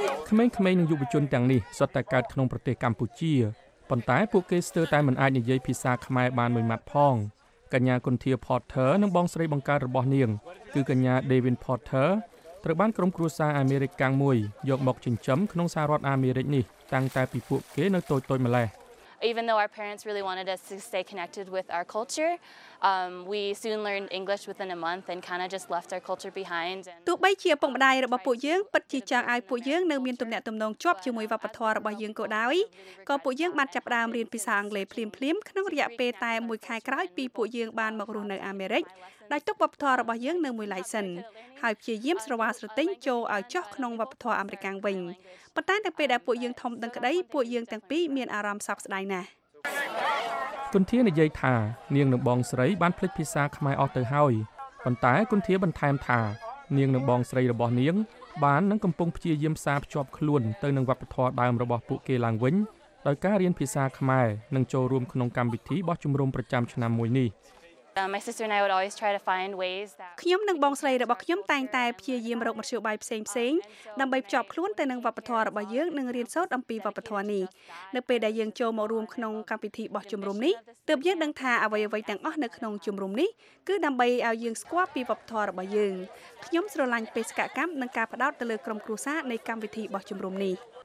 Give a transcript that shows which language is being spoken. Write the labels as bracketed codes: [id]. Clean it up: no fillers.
[km] ក្មេងៗនិងយុវជនទាំងនេះសុទ្ធតែកើតក្នុងប្រទេសកម្ពុជាប៉ុន្តែពួកគេស្ទើរតែមិនអាចនិយាយភាសាខ្មែរបានមួយម៉ាត់ផងកញ្ញាគុនធាផតធើនិងបងស្រីបង្កើតរបស់នាងគឺកញ្ញាដេវីនផតធើត្រូវបានក្រុមគ្រួសារអាមេរិកកាំងមួយយកមកចិញ្ចឹមក្នុងសហរដ្ឋអាមេរិកនេះតាំងតែពីពួកគេនៅតូចៗម្ល៉េះ [en] Even though our parents really wanted us to stay connected with our culture we soon learned English within a month and kind of just left our culture behind [km] ទោះបីជាពងម្ដាយរបស់ពួកយើងពិតជាចង់ឲ្យពួកយើងនៅមានទំនាក់ទំនងជាប់ជាមួយវប្បធម៌របស់យើងក៏ដោយក៏ពួកយើងបានចាប់ផ្ដើមរៀនភាសាអង់គ្លេសភ្លាមៗក្នុងរយៈពេលតែ1ខែក្រោយពីពួកយើងបានមករស់នៅអាមេរិកដែលទុកវប្បធម៌របស់យើងនៅមួយឡៃសិនហើយព្យាយាមស្រវាស្រទិញចូលឲ្យចុះក្នុងវប្បធម៌អាមេរិកវិញប៉ុន្តែនៅពេលដែលពួកយើងធំដឹងក្តីពួកយើងទាំងពីរមានអារម្មណ៍សោកស្ដាយណាស់គុនធានិយាយថានាងនិងបងស្រីបានភ្លេចភាសាខ្មែរអស់ទៅហើយប៉ុន្តែគុនធាបន្ថែមថានាងនិងបងស្រីរបស់នាងបាននឹងកំពុងព្យាយាមផ្សារភ្ជាប់ខ្លួនទៅនឹងវប្បធម៌ដើមរបស់ពួកគេឡើងវិញដោយការរៀនភាសាខ្មែរនិងចូលរួមក្នុងកម្មវិធីបោះជំរំប្រចាំឆ្នាំមួយនេះ [en] My sister and I would always try to find ways that [km] ខ្ញុំនិងបងស្រីរបស់ខ្ញុំតែងតែព្យាយាមរកមធ្យោបាយផ្សេងផ្សេងដើម្បីភ្ជាប់ខ្លួនទៅនឹងវប្បធម៌របស់យើងនិងរៀនសូត្រអំពីវប្បធម៌នេះនៅពេលដែលយើងចូលមករួមក្នុងកម្មវិធីបោះជំរំនេះទើបយើងដឹងថាអ្វីៗទាំងអស់នៅក្នុងជំរំនេះគឺដើម្បីឲ្យយើងស្គាល់ពីវប្បធម៌របស់យើងខ្ញុំស្រឡាញ់បេសកកម្មនិងការផ្ដោតទៅលើក្រុមគ្រួសារនៃកម្មវិធីបោះជំរំនេះ